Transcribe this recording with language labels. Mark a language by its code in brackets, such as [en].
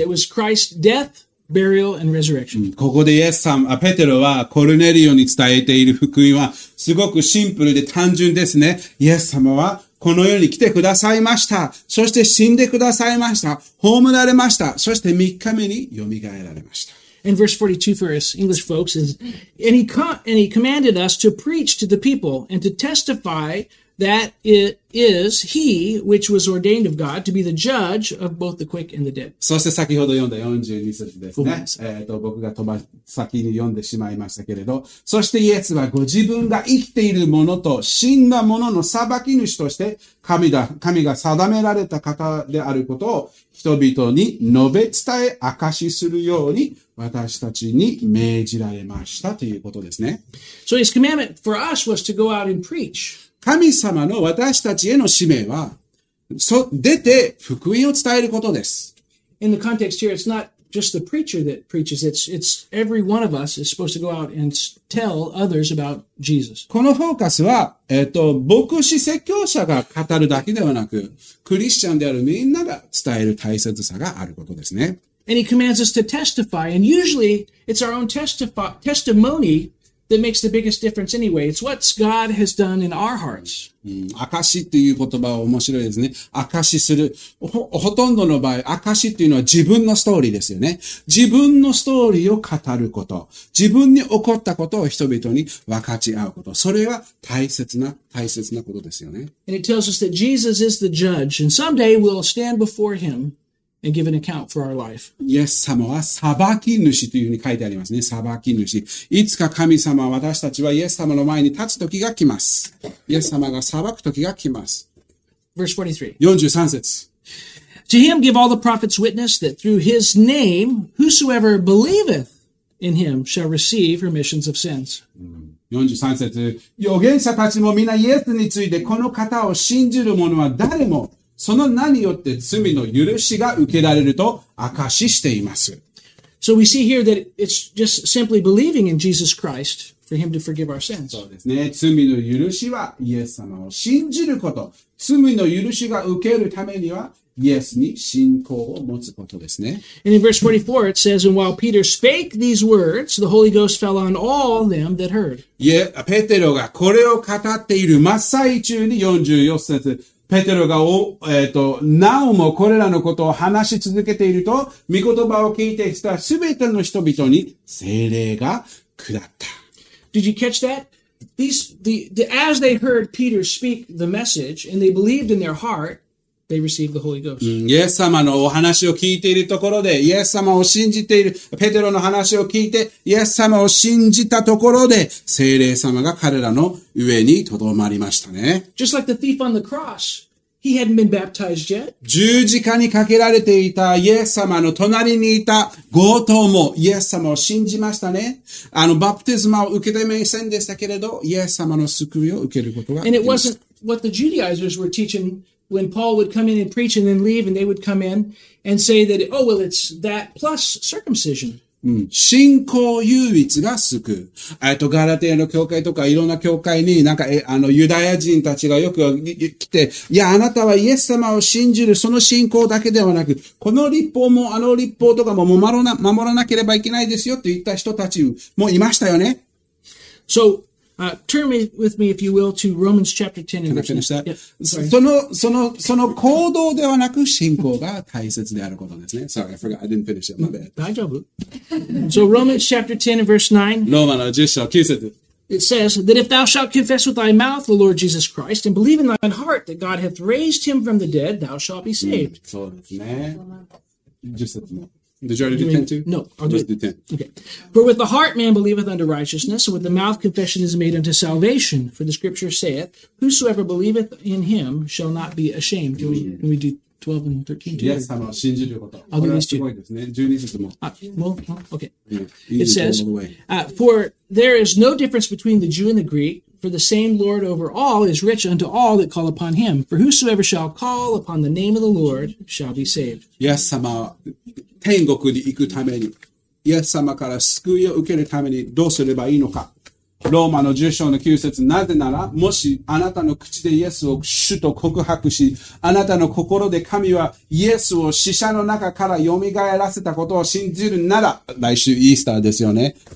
[en] It was Christ's death, burial, and resurrection. [ja] ここでイエス様、ペテロはコルネリオに伝えている福音はすごくシンプルで単純ですね。イエス様はこの世に来てくださいました。そして死んでくださいました。葬られました。そして3日目によみがえられました。 [en] in verse 42 for us English folks is, and he commanded us to preach to the people and to testify that it is he which was ordained of God to be the judge of both the quick and the dead. [ja] そして先ほど読んだ42節ですね。僕が飛ば先に読んでしまいましたけれど、そしてイエスはご自分が生きているものと死んだものの裁き主として神が定められた方であることを人々に述べ伝え証しするように私たちに命じられましたということですね。 [en] So his commandment for us was to go out and preach. [ja] 神様の私たちへの使命は、出て福音を伝えることです。 [en] In the context here, it's not just the preacher that preaches, it's every one of us is supposed to go out and tell others about Jesus. [ja] このフォーカスは、牧師説教者が語るだけではなく、クリスチャンであるみんなが伝える大切さがあることですね。 [en] And he commands us to testify, and usually it's our own testimony. That makes the biggest difference anyway. It's what God has done in our hearts. [ja] 証しっていう言葉は面白いですね。証しする。ほとんどの場合、証しっていうのは自分のストーリーですよね。自分のストーリーを語ること。自分に起こったことを人々に分かち合うこと。それは大切なことですよね。 [en] And it tells us that Jesus is the judge, and someday we'll stand before him. And give an account for our life. [ja] イエス様は裁き主というふうに書いてありますね。裁き主。いつか神様は私たちはイエス様の前に立つ時が来ます。イエス様が裁く時が来ます。 [en] Verse 43. [ja] 43節。 [en] To him give all the prophets witness that through his name, whosoever believeth in him shall receive remissions of sins.、うん [ja] 43節、預言者たちもみんなイエスについてこの方を信じる者は誰もその名によって罪の許しが受けられると証ししています。 [en] So we see here that it's just simply believing in Jesus Christ for him to forgive our sins. [ja] そうですね。罪の許しはイエス様を信じること。罪の許しが受けるためにはイエスに信仰を持つことですね。 [en] And in verse 44 it says, And while Peter spake these words, the Holy Ghost fell on all them that heard. [ja] いや、ペテロがこれを語っている真っ最中に44節、ペテロがなおもこれらのことを話し続けていると御言葉を聞いてきたすべての人々に聖霊が下った。 [en] Did you catch that? The as they heard Peter speak the message and they believed in their heart, they received the Holy Ghost. [ja] イエス様のお話を聞いているところで、イエス様を信じているペテロの話を聞いてイエス様を信じたところで聖霊様が彼らの上にとどまりましたね。 Just like the thief on the cross, he hadn't been baptized yet. 十字架にかけられていたイエス様の隣にいた強盗もイエス様を信じましたね。あのバプテスマを受けてませんでしたけれど、イエス様の救いを受けることができました。 [en] And it wasn't what the Judaizers were teaching when Paul would come in and preach and then leave, and they would come in and say that, oh well, it's that plus circumcision. [ja] 信仰唯一が救う。ガラテヤの教会とかいろんな教会になんか、ユダヤ人たちがよく来て、いや、あなたはイエス様を信じるその信仰だけではなく、この律法もあの律法とかも守らなければいけないですよって言った人たちもいましたよね。 [en] So,turn with me if you will to Romans chapter 10 and verse 9. [ja] その行動ではなく信仰が大切であることですね。 [en] Sorry, I forgot. I didn't finish it. My bad. 大丈夫。So Romans chapter 10 and verse 9. [ja] ローマの10章9節。 [en] It says that if thou shalt confess with thy mouth the Lord Jesus Christ and believe in thy heart that God hath raised him from the dead, thou shalt be saved.、 [ja] うん、そうですね。10節も。 [en] Did you already do 10 too? No, I'll do just it. Okay. For with the heart man believeth unto righteousness, and with the mouth confession is made unto salvation. For the scripture saith, Whosoever believeth in him shall not be ashamed. Can we do 12 and 13 too? Yes, I'm not. [ja] 信じること。 [en] I'll do these two. [ja] これはすごいですね。12節も。 [en] Okay. It says, For there is no difference between the Jew and the Greek, for the same Lord over all is rich unto all that call upon him. For whosoever shall call upon the name of the Lord shall be saved. Yes, I'm not. [ja] 天国に行くためにイエス様から救いを受けるためにどうすればいいのか。ローマの10章の9節、なぜならもしあなたの口でイエスを主と告白し、あなたの心で神はイエスを死者の中から蘇らせたことを信じるなら、来週イースターですよね。